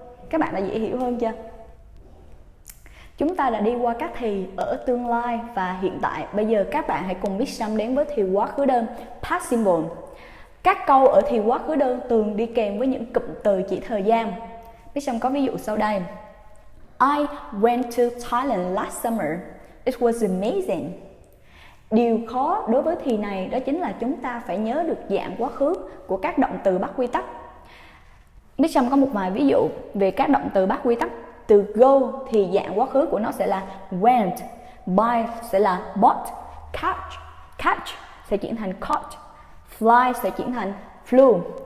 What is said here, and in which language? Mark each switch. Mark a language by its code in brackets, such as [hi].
[vi] Các bạn đã dễ hiểu hơn chưa? Chúng ta đã đi qua các thì ở tương lai và hiện tại. Bây giờ các bạn hãy cùng Miss Trâm đến với thì quá khứ đơn past simple. Các câu ở thì quá khứ đơn thường đi kèm với những cụm từ chỉ thời gian. Miss Trâm có ví dụ sau đây. [en] I went to Thailand last summer. It was amazing. [vi] Điều khó đối với thì này đó chính là chúng ta phải nhớ được dạng quá khứ của các động từ bắt quy tắc. Miss Trâm có một vài ví dụ về các động từ bắt quy tắc. Từ go thì dạng quá khứ của nó sẽ là went, buy sẽ là bought, catch sẽ chuyển thành caught, fly sẽ chuyển thành flew.